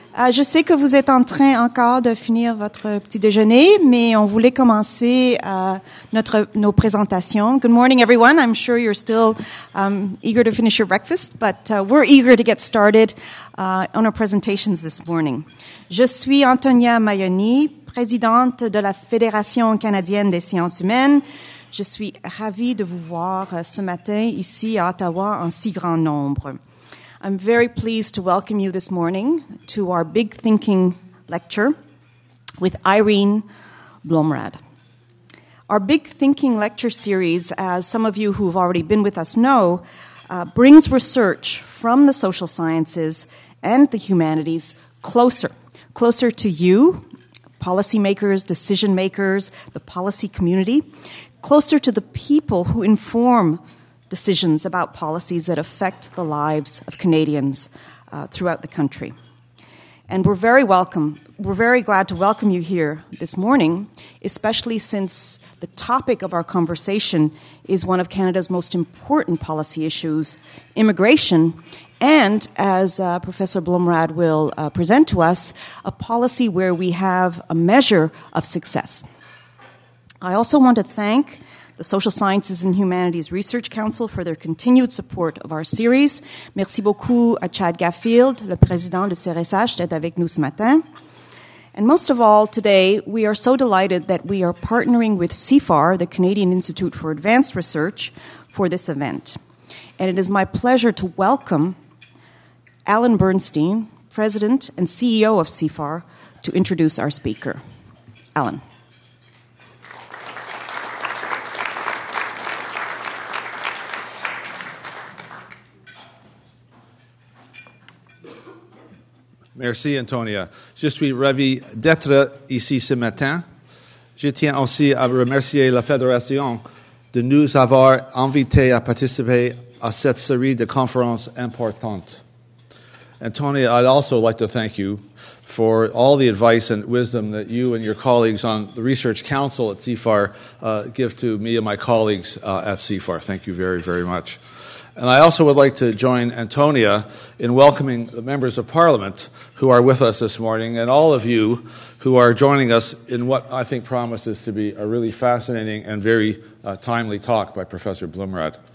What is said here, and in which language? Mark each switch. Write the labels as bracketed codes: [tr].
[fr] Je sais que vous êtes en train encore de finir votre petit déjeuner, mais on voulait commencer nos présentations. [en] Good morning everyone. I'm sure you're still eager to finish your breakfast, but we're eager to get started on our presentations this morning. [fr] Je suis Antonia Maioni, présidente de la Fédération canadienne des sciences humaines. Je suis ravie de vous voir ce matin ici à Ottawa en si grand nombre. [en] I'm very pleased to welcome you this morning to our Big Thinking Lecture with Irene Blomrad. Our Big Thinking Lecture series, as some of you who have already been with us know, brings research from the social sciences and the humanities closer to you, policymakers, decision makers, the policy community, closer to the people who inform decisions about policies that affect the lives of Canadians throughout the country. And we're very glad to welcome you here this morning, especially since the topic of our conversation is one of Canada's most important policy issues, immigration, and as Professor Blomrad will present to us, a policy where we have a measure of success. I also want to thank the Social Sciences and Humanities Research Council for their continued support of our series. [fr] Merci beaucoup à Chad Gaffield, le président de CRSH, d'être avec nous ce matin. [en] And most of all, today, we are so delighted that we are partnering with CIFAR, the Canadian Institute for Advanced Research, for this event. And it is my pleasure to welcome Alan Bernstein, President and CEO of CIFAR, to introduce our speaker. Alan. [fr] Merci, Antonia. Je suis ravi d'être ici ce matin. Je tiens aussi à remercier la Fédération de nous avoir invités à participer à cette série de conférences importantes. [en] Antonia, I'd also like to thank you for all the advice and wisdom that you and your colleagues on the Research Council at CIFAR give to me and my colleagues at CIFAR. Thank you very, very much. And I also would like to join Antonia in welcoming the members of Parliament who are with us this morning and all of you who are joining us in what I think promises to be a really fascinating and very timely talk by Professor Blomrad.